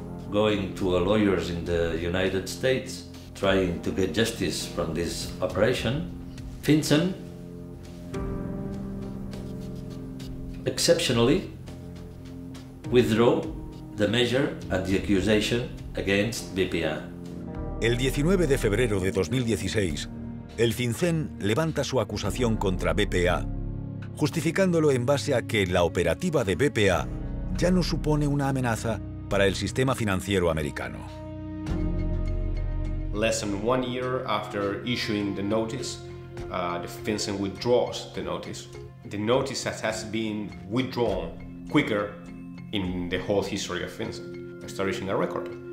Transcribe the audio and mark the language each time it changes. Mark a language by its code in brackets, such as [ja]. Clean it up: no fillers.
[en] going to a lawyers in the United States trying to get justice from this operation, Finsen, exceptionally, withdrew the measure and the accusation against BPA. [es] El 19 de febrero de 2016, el Finsen levanta su acusación contra BPA, justificándolo en base a que la operativa de BPA ya no supone una amenaza para el sistema financiero americano. [en] Less than 1 year after issuing the notice, the Finsen withdraws the notice. The notice that has been withdrawn quicker in the whole history of Finsen, establishing a record.